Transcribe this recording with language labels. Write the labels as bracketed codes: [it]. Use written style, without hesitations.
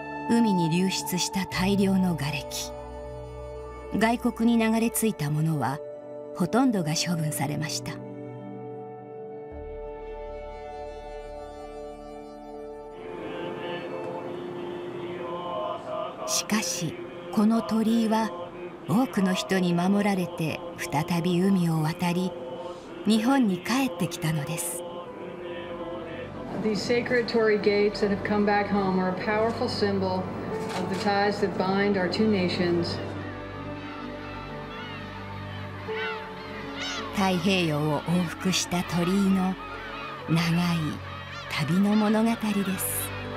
[ja] 海に流出した大量のがれき、外国に流れ着いたものはほとんどが処分されました。しかしこの鳥居は多くの人に守られて再び海を渡り日本に帰ってきたのです。 [en] These sacred Torii gates that have come back home are a powerful symbol of the ties that bind our two nations. [ja] 太平洋を往復した鳥居の長い旅の物語です。